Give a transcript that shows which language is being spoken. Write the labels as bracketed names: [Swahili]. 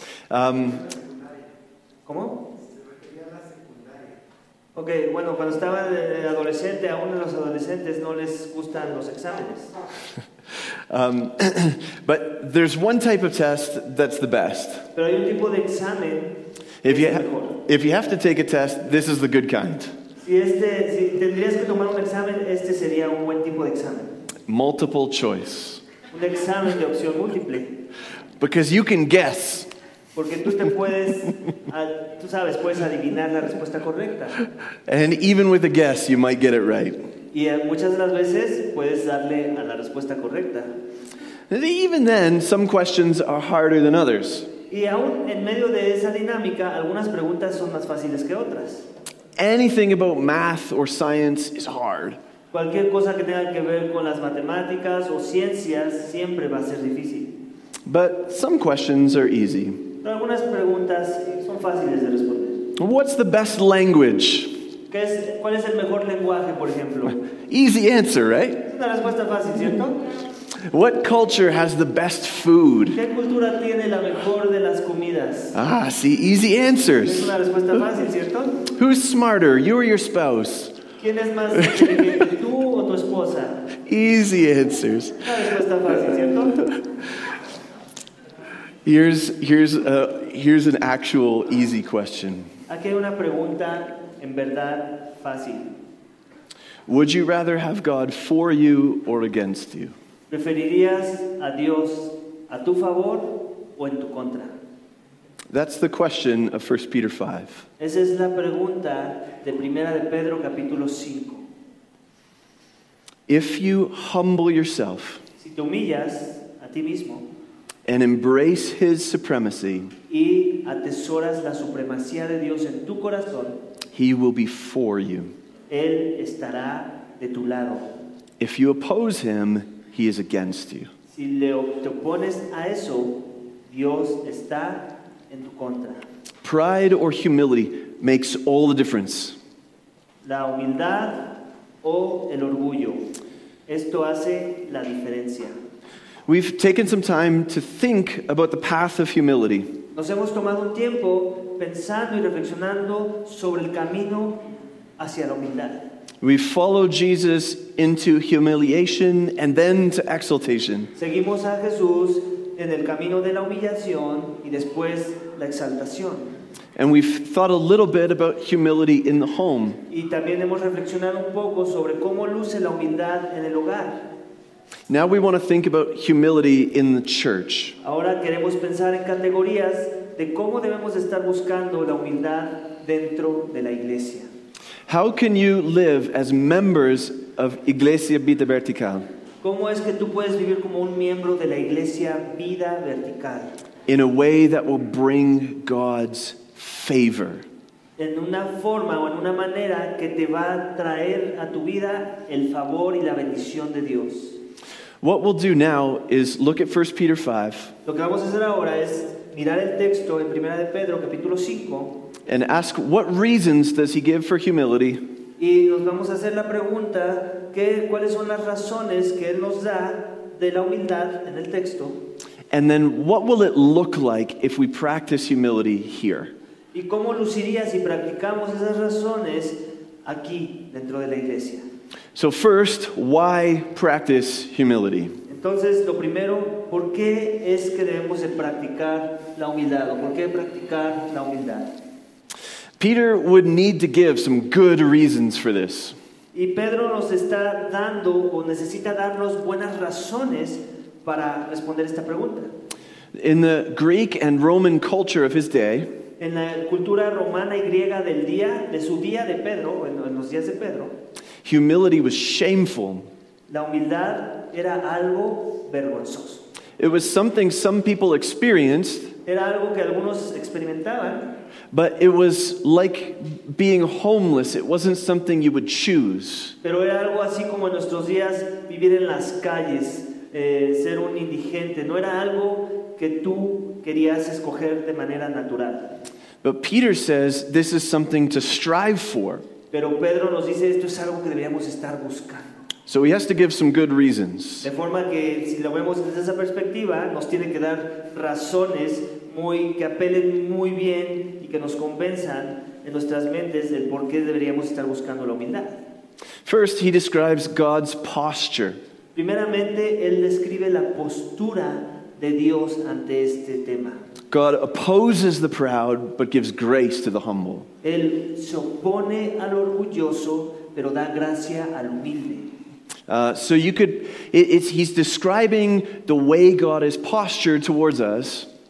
[Spanish] ¿Cómo? Okay, bueno, cuando estaba adolescente, a uno de los adolescentes no les gustan los exámenes. [English] But there's one type of test that's the best. [Spanish] Pero hay un tipo de examen. [English] If you have to take a test, this is the good kind. [Spanish] Si tendrías que tomar un examen, este sería un buen tipo de examen. [English] Multiple choice. [Spanish] Un examen de opción múltiple. [English] Because you can guess. [Spanish] Porque tú te puedes, tú sabes, puedes adivinar la respuesta correcta. [English] And even with a guess, you might get it right. [Spanish] Y muchas de las veces puedes darle a la respuesta correcta. [English] And even then, some questions are harder than others. [Spanish] Y aún en medio de esa dinámica, algunas preguntas son más fáciles que otras. [English] Anything about math or science is hard. [Spanish] Cualquier cosa que tenga que ver con las matemáticas o ciencias siempre va a ser difícil. [English] But some questions are easy. [Spanish] Pero algunas preguntas son fáciles de responder. [English] What's the best language? [Spanish] ¿Cuál es el mejor lenguaje, por ejemplo? [English] Easy answer, right? [Spanish] Es una respuesta fácil, ¿cierto? [English] What culture has the best food? [Spanish] ¿Qué cultura tiene la mejor de las comidas? [English] Ah, see, easy answers. [Spanish] Es una respuesta fácil, ¿cierto? [English] Who's smarter, you or your spouse? [Spanish] ¿Quién es más inteligente, tú o tu esposa? [English] Easy answers. [Spanish] Una respuesta fácil, ¿cierto? [English] Here's an actual easy question. [Spanish] Aquí hay una pregunta en verdad fácil. [English] Would you rather have God for you or against you? [Spanish] ¿Preferirías a Dios a tu favor o en tu contra? [English] That's the question of 1 Peter 5. [Spanish] Esa es la pregunta de Primera de Pedro capítulo 5. [English] If you humble yourself, [Spanish] si te humillas a ti mismo, [English] and embrace his supremacy, [Spanish] y atesoras la supremacía de Dios en tu corazón, [English] he will be for you. [Spanish] Él estará de tu lado. [English] If you oppose him, he is against you. [Spanish] Si le te opones a eso, Dios está en tu contra. [English] Pride or humility makes all the difference. [Spanish] La humildad o el orgullo, esto hace la diferencia. [English] We've taken some time to think about the path of humility. [Spanish] Nos hemos tomado un tiempo pensando y reflexionando sobre el camino hacia la humildad. [English] We follow Jesus into humiliation and then to exaltation. [Spanish] Seguimos a Jesús en el camino de la humillación y después la exaltación. [English] And we've thought a little bit about humility in the home. [Spanish] Y también hemos reflexionado un poco sobre cómo luce la humildad en el hogar. [English] Now we want to think about humility in the church. [Spanish] Ahora queremos pensar en categorías de cómo debemos estar buscando la humildad dentro de la iglesia. [English] How can you live as members of Iglesia Vida Vertical? [Spanish] ¿Cómo es que tú puedes vivir como un miembro de la Iglesia Vida Vertical? [English] In a way that will bring God's favor. [Spanish] En una forma o en una manera que te va a traer a tu vida el favor y la bendición de Dios. [English] What we'll do now is look at 1 Peter 5. [Spanish] Lo que vamos a hacer ahora es mirar el texto en Primera de Pedro capítulo 5. [English] And ask what reasons does he give for humility? [Spanish] Y nos vamos a hacer la pregunta que cuáles son las razones que él nos da de la humildad en el texto. [English] And then what will it look like if we practice humility here? [Spanish] Y cómo luciría si practicamos esas razones aquí dentro de la iglesia. [English] So first, why practice humility? [Spanish] Entonces, lo primero, ¿por qué es que debemos de practicar la humildad? ¿Por qué practicar la humildad? [English] Peter would need to give some good reasons for this. [Spanish] Y Pedro nos está dando o necesita darnos buenas razones para responder esta pregunta. [English] In the Greek and Roman culture of his day, [Spanish] en la cultura romana y griega del día de su día de Pedro, en los días de Pedro, [English] humility was shameful. [Spanish] La humildad era algo vergonzoso. [English] It was something some people experienced. [Spanish] Era algo que algunos experimentaban. [English] But it was like being homeless. It wasn't something you would choose. [Spanish] Pero era algo así como en nuestros días vivir en las calles, ser un indigente. No era algo que tú querías escoger de manera natural. [English] But Peter says this is something to strive for. [Spanish] Pero Pedro nos dice esto es algo que deberíamos estar buscando. [English] So he has to give some good reasons. [Spanish] De forma que si lo vemos desde esa perspectiva, nos tiene que dar razones muy que apelen muy bien y que nos convenzan en nuestras mentes del por qué deberíamos estar buscando la humildad. [English] First, he describes God's posture. [Spanish] Primeramente, él describe la postura de Dios ante este tema. [English] God opposes the proud, but gives grace to the humble. [Spanish] Él se opone al orgulloso, pero da gracia al humilde. [English] He's describing the way God is postured towards us.